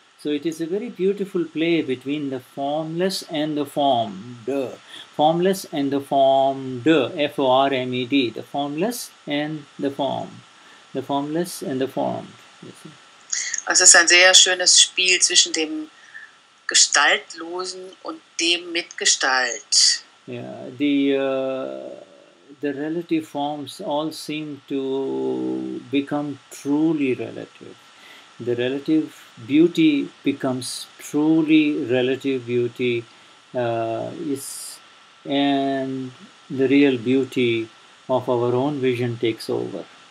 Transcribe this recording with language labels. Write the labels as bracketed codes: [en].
[en] So it is a very beautiful play between the formless and the formed. Formless and the formed, F-O-R-M-E-D, the formless and the form. The formless and the formed. [de] Es ist ein sehr schönes Spiel zwischen dem Gestaltlosen und dem Mitgestalt. [en] Yeah, the relative forms all seem to become truly relative. The relative beauty becomes truly relative beauty. And the real beauty of our own vision takes over.